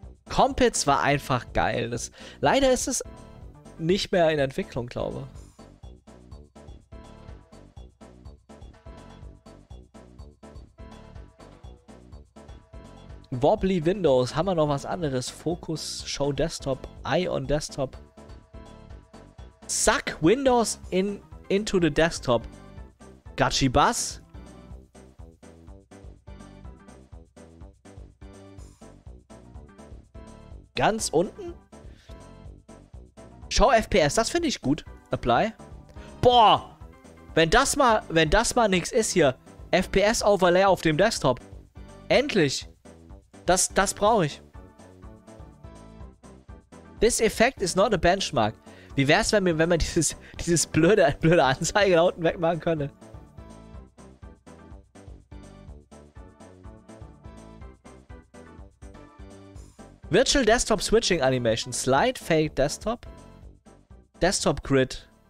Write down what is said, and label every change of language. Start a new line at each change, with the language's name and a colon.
German: Compitz war einfach geil. Leider ist es nicht mehr in Entwicklung, glaube ich. Wobbly Windows. Haben wir noch was anderes?
English: Focus Show Desktop. Eye on Desktop. Suck Windows into the Desktop. Gachi Bass.
German: Ganz unten. Schau FPS. Das finde ich gut. Apply. Boah. Wenn das mal nichts ist hier. FPS Overlay auf dem Desktop. Endlich. Das brauche ich.
English: This effect is not a benchmark.
German: Wie wäre es, wenn man dieses blöde Anzeige da unten wegmachen könnte?
English: Virtual Desktop Switching Animation. Slide Fake Desktop. Desktop Grid.